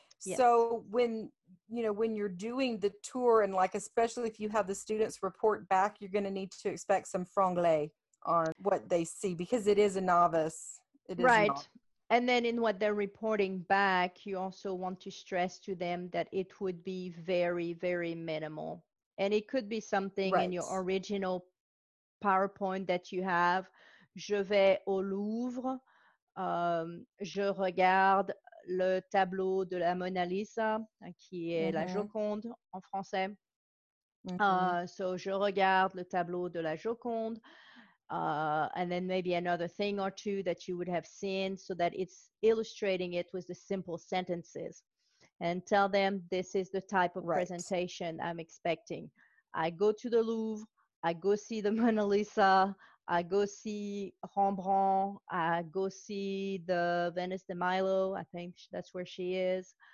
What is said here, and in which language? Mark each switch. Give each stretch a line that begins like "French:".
English: So when, you know, when you're doing the tour, and like, especially if you have the students report back, you're going to need to expect some franglais on what they see, because it is a novice. And then in what they're reporting back, you also want to stress to them that it would be very, very minimal. And it could be something in your original PowerPoint that you have.
French: Je vais au Louvre. Je regarde le tableau de la Mona Lisa, qui est la Joconde en français. So je regarde le tableau de la Joconde.
English: And then maybe another thing or two that you would have seen, so that it's illustrating it with the simple sentences, and tell them this is the type of presentation I'm expecting. I go to the Louvre, I go see the Mona Lisa, I go see Rembrandt, I go see the Venice de Milo, I think that's where she is.